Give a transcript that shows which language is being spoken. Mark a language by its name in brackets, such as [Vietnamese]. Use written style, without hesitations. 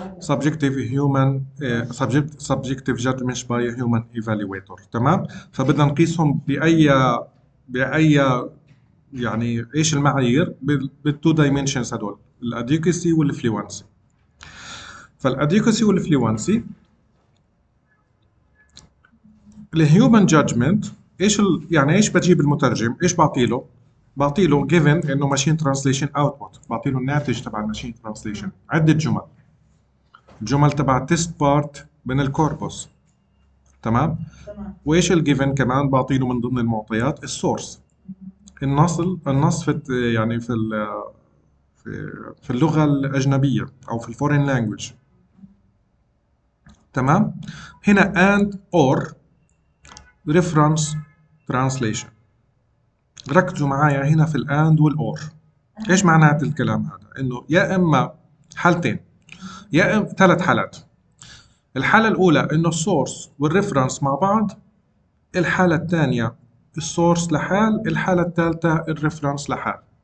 [English] Subjective human subjective judgment by a human evaluator. [Arabic] تمام؟ فبدنا نقيسهم بأي يعني ايش المعايير؟ [English] بالتو دايمنشنز [Arabic] هذول الادكسي والفلوانسي. فالادكسي والفلوانسي [English] الهيومن جادجمنت [Arabic] ايش يعني ايش بجيب المترجم؟ ايش بعطي له؟ بعطي له جيفن انه [English] ماشين ترانسليشن اوتبوت، [Arabic] بعطي له الناتج تبع الماشين ترانسليشن، عده جمل. الجمل تبع [English] test part [Arabic] من الكوربوس. تمام؟ وايش الجيفن كمان؟ بعطي له من ضمن المعطيات السورس. النص في يعني في اللغة الأجنبية أو في [English] الفورين لانجويج. [Arabic] تمام؟ هنا [English] and or reference translation. [Arabic] ركزوا معايا هنا في الـ and والـ or. إيش معنات الكلام هذا؟ إنه يا إما حالتين يا إما ثلاث حالات. الحالة الأولى إنه السورس والريفرنس مع بعض، الحالة الثانية السورس لحال، الحالة الثالثة الريفرنس لحال.